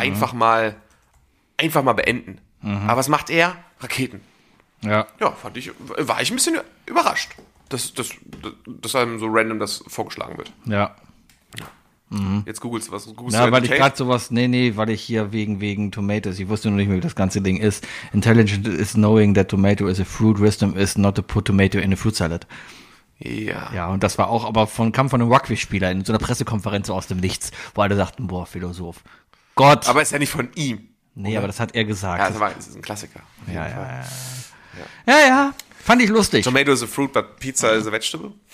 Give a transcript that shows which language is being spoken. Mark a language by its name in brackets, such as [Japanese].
[German] einfach mal beenden. Mhm. Aber was macht er? Raketen. Ja. Ja, war ich ein bisschen überrascht, dass einem so random das vorgeschlagen wird. Ja. Mhm. Jetzt googelst du was. Ja, weil ich gerade sowas, nee, weil ich hier wegen Tomatoes, ich wusste noch nicht mehr, wie das ganze Ding ist. [English] Intelligent is knowing that tomato is a fruit, wisdom is not to put tomato in a fruit salad. [German] Ja. Ja, und das war auch, aber kam von einem Rugby-Spieler in so einer Pressekonferenz aus dem Nichts, wo alle sagten, boah, Philosoph. Gott. Aber ist ja nicht von ihm. Nee, oder? Aber das hat er gesagt. Ja, das ist ein Klassiker. Ja, fand ich lustig. [English] Tomato is a fruit, but pizza is a vegetable.